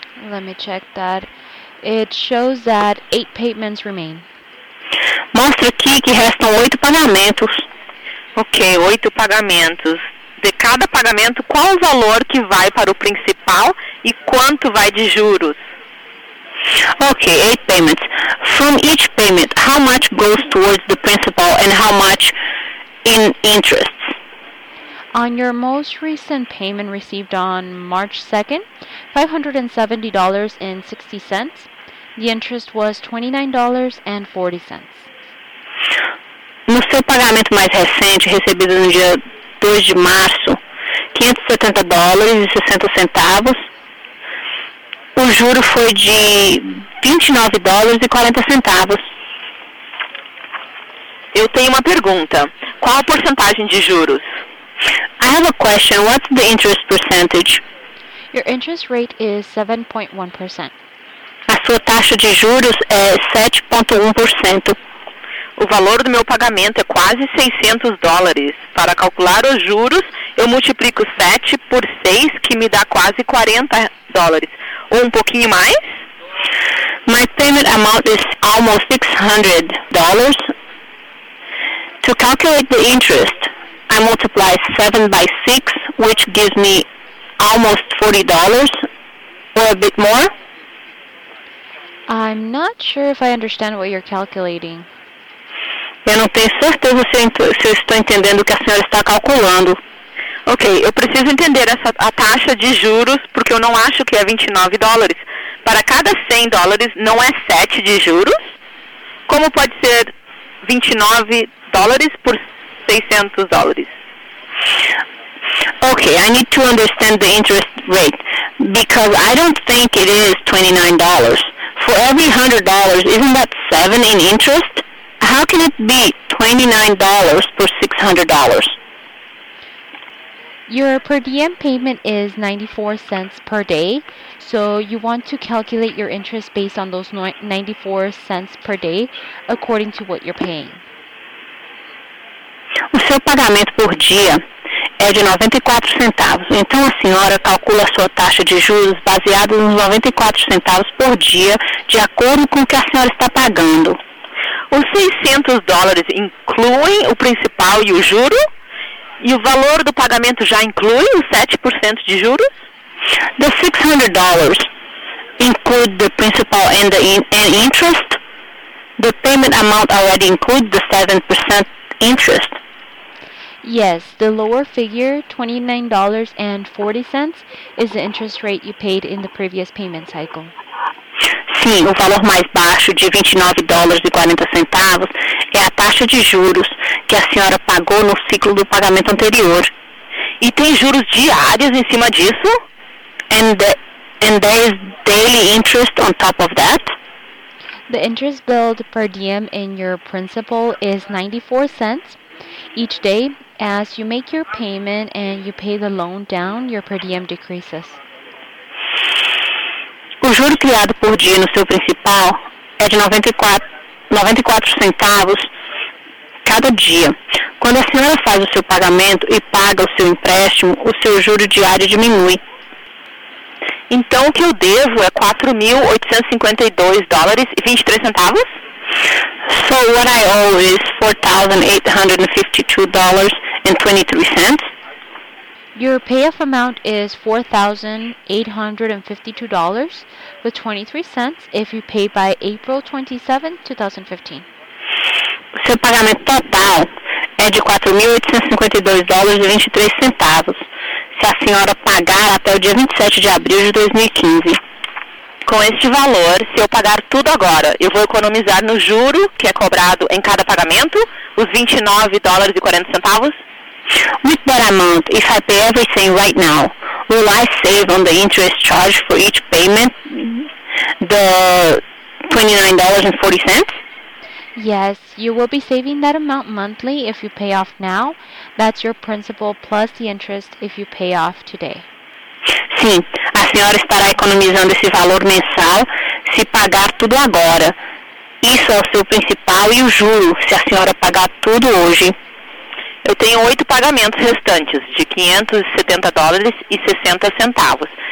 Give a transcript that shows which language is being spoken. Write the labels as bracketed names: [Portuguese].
[English] Let me check that. It shows that 8 payments remain. [Portuguese] Mostra aqui que restam 8 pagamentos. Ok, 8 pagamentos. De cada pagamento, qual o valor que vai para o principal e quanto vai de juros? [English] Ok, 8 payments. From each payment, how much goes towards the principal and how much in interest? On your most recent payment received on March 2nd, $570.60, the interest was $29.40. [Portuguese] No seu pagamento mais recente, recebido no dia 2 de março, $570.60, o juro foi de $29.40. Eu tenho uma pergunta. Qual a porcentagem de juros? [English] I have a question. What's the interest percentage? Your interest rate is 7.1%. [Portuguese] A sua taxa de juros é 7.1%. O valor do meu pagamento é quase $600. Para calcular os juros, eu multiplico 7 por 6, que me dá quase $40. Ou um pouquinho mais? [English] My payment amount is almost $600. To calculate the interest, I multiply 7 by 6, which gives me almost $40, or a bit more. I'm not sure if I understand what you're calculating. [Portuguese] Eu não tenho certeza se eu estou entendendo o que a senhora está calculando. Ok, eu preciso entender a taxa de juros, porque eu não acho que é $29. Para cada $100, não é 7 de juros? Como pode ser $29 por $600. [English] Okay, I need to understand the interest rate. Because I don't think it is $29. For every $100, isn't that $7 in interest? How can it be $29 for $600? Your per diem payment is 94 cents per day, so you want to calculate your interest based on those 94 cents per day according to what you're paying. [Portuguese] O seu pagamento por dia é de 94 centavos. Então a senhora calcula a sua taxa de juros baseada nos 94 centavos por dia, de acordo com o que a senhora está pagando. Os $600 incluem o principal e o juro? E o valor do pagamento já inclui os 7% de juros? [English] The $600 include the principal and the interest? The payment amount already includes the 7% interest? Yes, the lower figure, $29.40, is the interest rate you paid in the previous payment cycle. [Portuguese] Sim, o valor mais baixo de $29.40 é a taxa de juros que a senhora pagou no ciclo do pagamento anterior. E tem juros diários em cima disso? [English] And there is daily interest on top of that? The interest billed per diem in your principal is 94 cents each day. As you make your payment and you pay the loan down, your per diem decreases. [Portuguese] O juro criado por dia no seu principal é de 94 centavos cada dia. Quando a senhora faz o seu pagamento e paga o seu empréstimo, o seu juro diário diminui. Então o que eu devo é $4,852.23? [English] So what I owe is $4,852.23. Your payoff amount is $4,852.23 if you pay by April 27, 2015. [Portuguese] Seu pagamento total é de $4,852.23 se a senhora pagar até o dia 27 de abril de 2015. Com este valor, se eu pagar tudo agora, eu vou economizar no juro que é cobrado em cada pagamento, os $29.40? [English] With that amount, if I pay everything right now, will I save on the interest charge for each payment, the $29.40? Yes, you will be saving that amount monthly if you pay off now. That's your principal plus the interest if you pay off today. [Portuguese] Sim, a senhora estará economizando esse valor mensal se pagar tudo agora. Isso é o seu principal e o juro, se a senhora pagar tudo hoje. Eu tenho 8 pagamentos restantes, de $570.60.